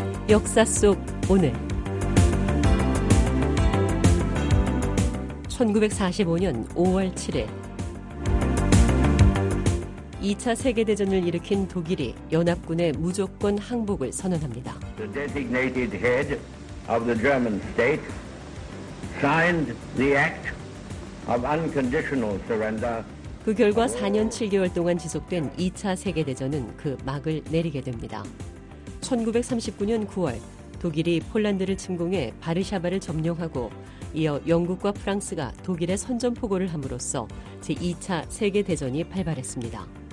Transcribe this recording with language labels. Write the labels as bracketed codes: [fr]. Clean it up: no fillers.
[ko] 역사 속 오늘 1945년 5월 7일 2차 세계대전을 일으킨 독일이 연합군의 무조건 항복을 선언합니다. [en] The designated head of the German state signed the act of unconditional surrender. [ko] 그 결과 4년 7개월 동안 지속된 2차 세계대전은 그 막을 내리게 됩니다. 1939년 9월 독일이 폴란드를 침공해 바르샤바를 점령하고 이어 영국과 프랑스가 독일에 선전포고를 함으로써 제2차 세계대전이 발발했습니다.